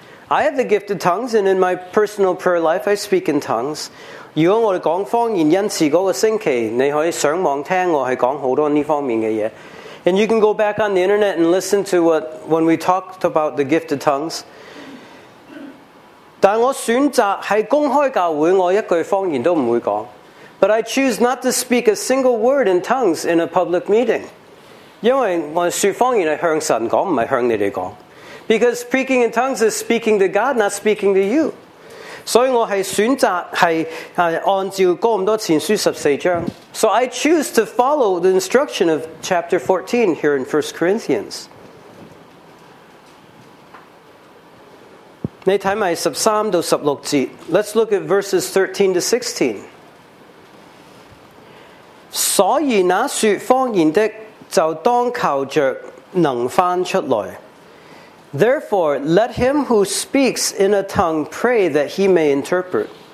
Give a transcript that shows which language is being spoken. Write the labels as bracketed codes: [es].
[en] I have the gift of tongues, and in my personal prayer life, I speak in tongues. If I speak in tongues, that week, you can listen to me on the internet. I speak a lot of these things. And you can go back on the internet and listen to what when we talked about the gift of tongues. [zh] 但我选择在公开教会，我一句方言都不会讲。 [en] But I choose not to speak a single word in tongues in a public meeting. [zh] 因为我说方言是向神讲，不是向你们讲。 [en] Because speaking in tongues is speaking to God, not speaking to you. [zh] 所以我是选择按照哥林多前书14章。 [en] So I choose to follow the instruction of chapter 14 here in 1 Corinthians. [zh] 你看13到16节, [en] let's look at verses 13 to 16. [zh] 所以那说方言的就当求着能翻出来。 [en] Therefore, let him who speaks in a tongue pray that he may interpret.